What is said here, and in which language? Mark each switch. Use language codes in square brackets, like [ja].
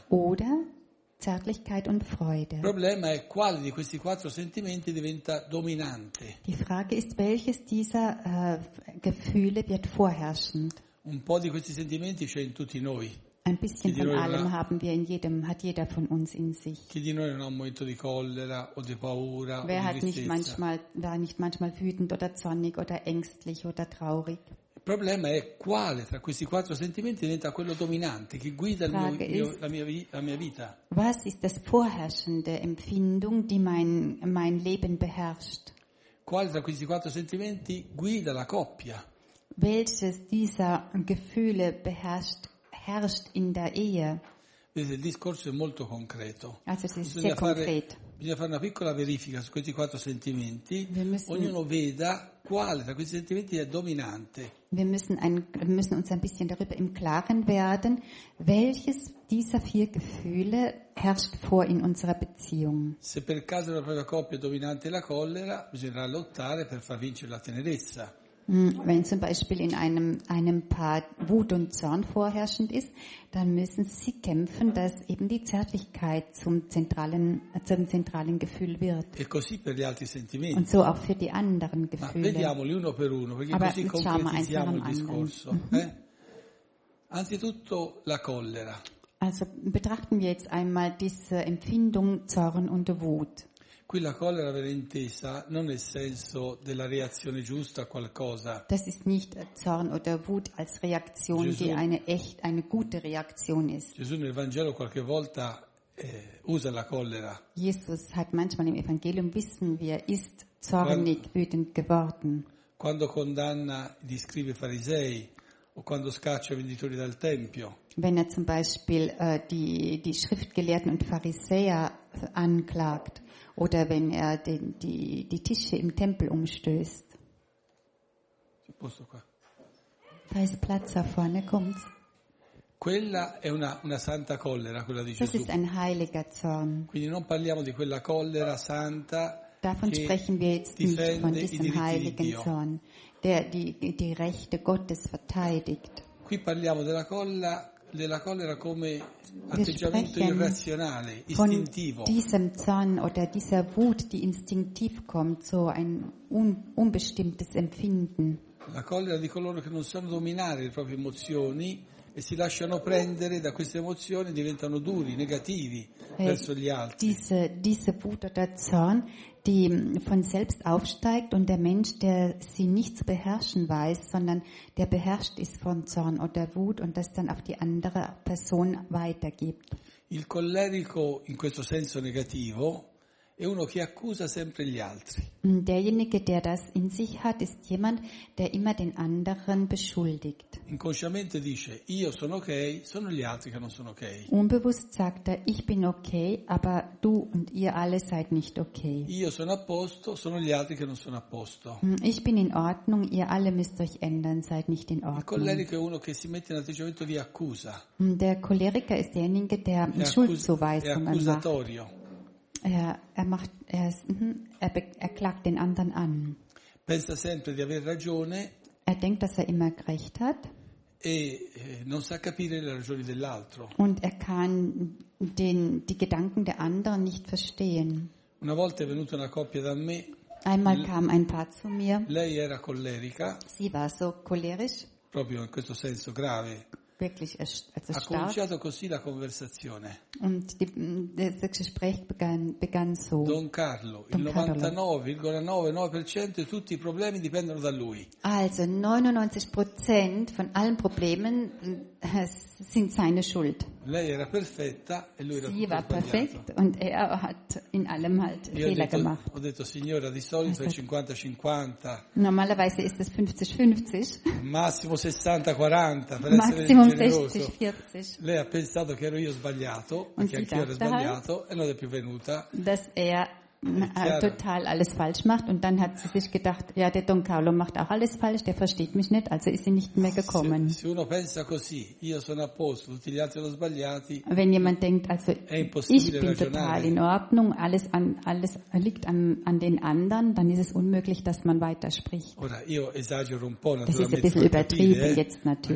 [de] oder Zärtlichkeit und Freude. [it] Problema è quale di questi quattro sentimenti diventa dominante. [de] Die Frage ist, welches dieser Gefühle wird vorherrschend. [it] Un po' di questi sentimenti c'è in tutti noi. [de] Ein bisschen von allem haben wir in jedem, hat jeder von uns in sich. [it] Chi di noi non ha un momento di collera o di paura o di tristezza? [de] Wer war nicht manchmal wütend oder zornig oder ängstlich oder traurig? [it] Il problema è quale tra questi quattro sentimenti diventa quello dominante, che guida la mia vita. [de] Was ist das vorherrschende Empfindung, die mein Leben beherrscht? [it] Quale tra questi quattro sentimenti guida la coppia? [de] Welches dieser Gefühle beherrscht in der Ehe. [it] Il discorso è molto concreto. [de] Also, es ist sehr konkret. [it] bisogna fare una piccola verifica su questi quattro sentimenti. Ognuno veda quale tra questi sentimenti è dominante. [de] Wir müssen uns ein bisschen darüber im Klaren werden, welches dieser vier Gefühle herrscht vor in unserer Beziehung. [it] Se per caso la propria coppia è dominante la collera, bisognerà lottare per far vincere la tenerezza. [de] Wenn zum Beispiel in einem Paar Wut und Zorn vorherrschend ist, dann müssen sie kämpfen, dass eben die Zärtlichkeit zum zentralen Gefühl wird. [it] E così per gli altri sentimenti. [de] Und so auch für die anderen Gefühle. [it] Ma vediamoli uno per uno, perché [de] aber [it] così konkretisiamo il discorso. Anzitutto la collera. [de] Also betrachten wir jetzt einmal diese Empfindung Zorn und Wut. [it] Qui la collera viene intesa non nel senso della reazione giusta a qualcosa. [de] Das ist nicht Zorn oder Wut als Reaktion, Gesù, die eine gute Reaktion ist. [it] Gesù nel Vangelo qualche volta usa la collera. [de] Jesus hat manchmal im Evangelium, wissen wir, ist zornig, wütend geworden. [it] Quando condanna gli scribi farisei o quando scaccia i venditori dal tempio. [de] Wenn er zum Beispiel die Schriftgelehrten und Pharisäer anklagt. Oder wenn er die Tische im Tempel umstößt. Da ist Platz da vorne, kommt. [it] Quella è una santa collera, quella di [de] das [it] Gesù. [de] Ist ein heiliger Zorn. [it] Quindi non parliamo di quella collera santa. [de] Davon [it] che [de] sprechen wir jetzt nicht, von diesem heiligen [it] di [de] Zorn, der die Rechte Gottes verteidigt. [it] Qui parliamo della collera come atteggiamento irrazionale, istintivo. [de] Von diesem Zorn oder dieser Wut, die instinktiv kommt, so ein unbestimmtes Empfinden. [it] La collera di coloro che non sanno dominare le proprie emozioni e si lasciano prendere da queste emozioni, diventano duri, negativi verso gli altri. [de] Diese Wut oder Zorn, die von selbst aufsteigt und der Mensch, der sie nicht zu beherrschen weiß, sondern der beherrscht ist von Zorn oder Wut und das dann auf die andere Person weitergibt. [it] Il collerico in questo senso negativo è uno che accusa sempre gli altri. [de] Derjenige, der das in sich hat, ist jemand, der immer den anderen beschuldigt. [it] Inconsciamente dice: io sono okay, sono gli altri che non sono okay. [de] Unbewusst sagt er: ich bin okay, aber du und ihr alle seid nicht okay. [it] Io sono a posto, sono gli altri che non sono a posto. [de] Ich bin in Ordnung, ihr alle müsst euch ändern, seid nicht in Ordnung. [it] Il collerico è uno che si mette in atteggiamento di accusa. [de] Der Choleriker ist derjenige, der Schuldzuweisungen macht. [it] Accusatorio. [de] Er klagt den anderen an. [it] Pensa sempre di aver ragione. [de] Er denkt, dass er immer recht hat. [it] E non sa capire le ragioni dell'altro. [de] Und er kann die Gedanken der anderen nicht verstehen. [it] Una volta è venuta una coppia da me. [de] Einmal kam ein Paar zu mir. [it] Lei era collerica. [de] Sie war so cholerisch. [it] Proprio in questo senso grave. [de] Wirklich, also [it] ha cominciato così la conversazione. [de] Das Gespräch begann so. [it] Don Carlo, il 99,99% di tutti i problemi dipendono da lui. [de] Also 99% von allen Problemen sind seine Schuld. [it] Lei era perfetta e lui era sbagliato. [de] Sie war perfekt und er hat in allem halt Fehler gemacht. [it] Ho detto signora, di solito è 50-50. [de] Normalerweise ist es 50-50. [it] Massimo 60-40 per Massimo essere generoso. 60-40. Lei ha pensato che ero io sbagliato, [de] und [it] che anch'io ero sbagliato [de] halt, [it] e non è più venuta. [de] Dass er total alles falsch macht und dann hat sie sich gedacht, ja, der Don Carlo macht auch alles falsch, der versteht mich nicht, also ist sie nicht mehr gekommen. [it] Se uno pensa così, io sono a posto, tutti gli altri sono sbagliati. [de] Wenn jemand denkt, also ich bin total in Ordnung, alles liegt an den anderen, dann ist es unmöglich, dass man weiterspricht. [it] Ora io esagero un po', [de] das ist ein bisschen übertrieben jetzt natürlich.